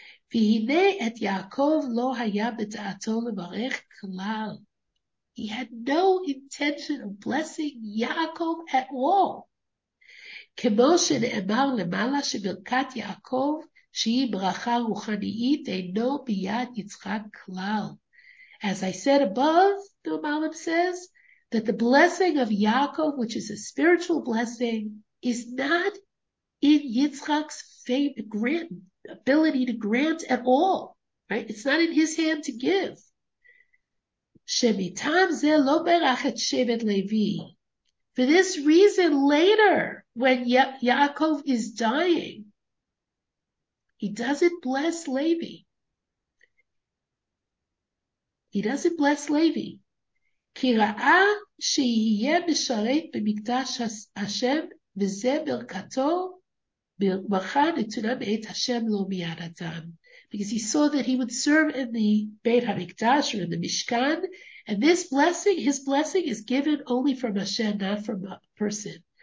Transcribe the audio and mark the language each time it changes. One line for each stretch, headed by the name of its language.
Hebrew: V'hine et Yaakov lo haya b'da'ato levarech klal.
English: He had no intention of blessing Yaakov at all.
Hebrew: כמו שנאמר למעלה שברכת יעקב, שהיא ברכה רוחנית, אינו ביד יצחק כלל.
English: As I said above, the Malbim says, that the blessing of Yaakov, which is a spiritual blessing, is not in Yitzchak's ability to grant at all. Right? It's not in his hand to give.
Hebrew: שמטעם זה לא ברך את שבט לוי.
English: For this reason, later, when Yaakov is dying, he doesn't bless Levi. He doesn't bless Levi.
Hebrew: כי ראה שיהיה משרת במקדש השם, וזה ברכתו, ברכה נתונה מעת השם לא מיד אדם.
English: Because he saw that he would serve in the Beit HaMikdash or in the Mishkan, and this blessing, his blessing, is given only from Hashem, not from a person.